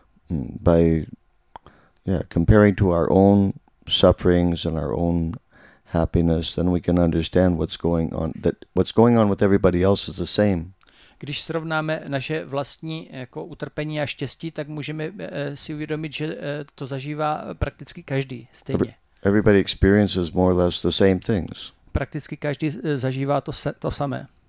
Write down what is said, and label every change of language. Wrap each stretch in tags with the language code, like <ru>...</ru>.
<en>By comparing to our own sufferings and our own happiness, then we can understand what's going on with everybody else is the same.</en> <cs>Když srovnáme naše vlastní jako utrpení a štěstí, tak můžeme si uvědomit, že to zažívá prakticky každý stejně.</cs> <en>Everybody experiences more or less the same things.</en> <cs>Prakticky každý zažívá to samé.</cs>